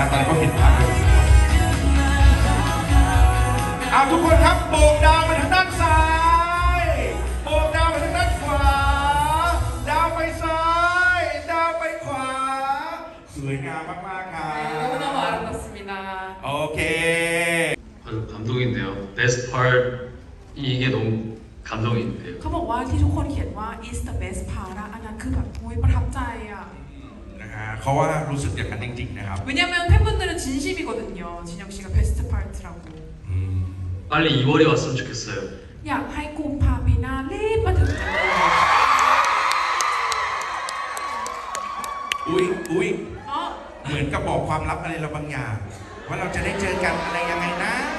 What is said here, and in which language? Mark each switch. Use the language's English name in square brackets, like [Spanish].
[Thai] ก็เห็นผ่านเลยครับทุกคนครับโบกดาวมาทางด้านซ้ายโบกดาวมาทางด้านขวาดาวไปซ้ายดาวไปขวาสวยงามมากๆครับ น่ารักมากสินะ โอเค [Korean] โอ้โห감동인데요 [English] best part [Korean] 이게너무감동인데요 [Thai] เขาบอกว่าที่ทุกคนเขียนว่า [English] is the best part [Thai] อันนั้นคือแบบโอ้ยประทับใจอ่ะ เขาว่ารู้สึกอย่างนั้นจริงๆนะครับ [Korean] 왜냐면팬분들은진심이거든요진혁씨가베스트파트라고 [Thai] ปล่อย [Korean] 2월이왔으면좋겠어요 [Thai] อยากให้กุมภาพันธ์นี้มาถึง อุ๊ยอุ๊ยเหมือนกับบอกความลับอะไรเราบางอย่างว่าเราจะได้เจอกันอะไรยังไงนะ